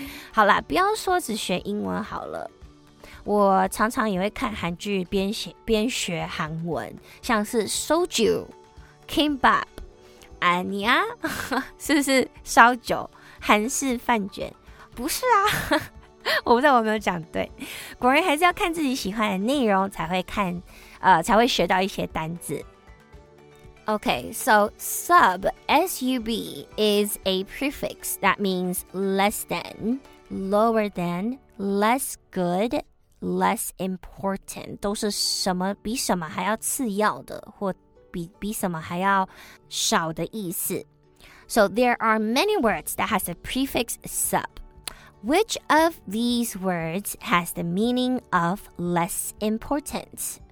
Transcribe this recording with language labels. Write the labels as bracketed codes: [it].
[zh] 好啦，不要说只学英文好了，我常常也会看韩剧边学韩文，像是 Soju、Kimbap、Anya， 是不是烧酒、韩式饭卷？不是啊。我不知道我没有讲对，果然还是要看自己喜欢的内容才会看，才会学到一些单字。 [en] Okay, so sub, S-U-B, is a prefix that means less than, lower than, less good, less important. [zh] 都是什么比什么还要次要的，或比什么还要少的意思。 [en] So there are many words that has a prefix sub. Which of these words has the meaning of less important?